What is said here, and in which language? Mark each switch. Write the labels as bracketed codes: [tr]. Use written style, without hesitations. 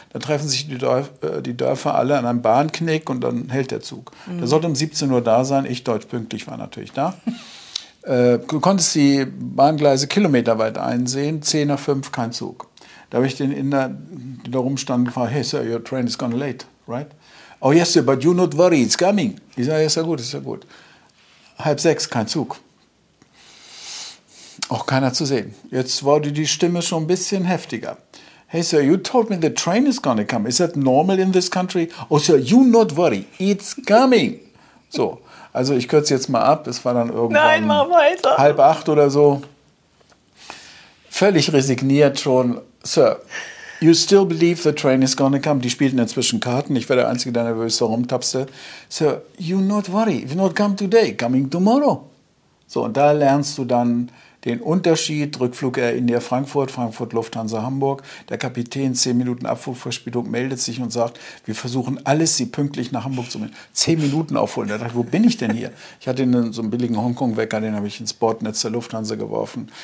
[de] Da treffen sich die Dörfer alle an einem Bahnknick und dann hält der Zug. Mhm. Der sollte um 17 Uhr da sein, ich deutsch pünktlich war natürlich da. Du konntest die Bahngleise kilometerweit einsehen, 10:05 kein Zug. Da habe ich den Inder, der da rumstand, gefragt, [en] hey, sir, your train is gone late, right? Oh, yes, sir, but you not worry, it's coming. [de] Ich sage, ist ja gut. 5:30 kein Zug. Auch keiner zu sehen. Jetzt wurde die Stimme schon ein bisschen heftiger. [en] Hey, sir, you told me the train is gonna come. Is that normal in this country? Oh, sir, you not worry, it's coming. [de] So. Also ich kürze jetzt mal ab, es war dann irgendwann 7:30 oder so. Völlig resigniert schon, Sir, [en] You still believe the train is gonna come. [de] Die spielten inzwischen Karten. Ich war der Einzige, der nervös herumtapste. [en] So, you not worry. If not come today, coming tomorrow. [de] So, und da lernst du dann den Unterschied. Rückflug Air India Frankfurt, Frankfurt Lufthansa Hamburg. Der Kapitän, 10 Minuten Abflugverspätung, meldet sich und sagt, wir versuchen alles, sie pünktlich nach Hamburg zu bringen. 10 Minuten aufholen. Da dachte ich, wo bin ich denn hier? Ich hatte so einen billigen Hongkong-Wecker, den habe ich ins Bordnetz der Lufthansa geworfen.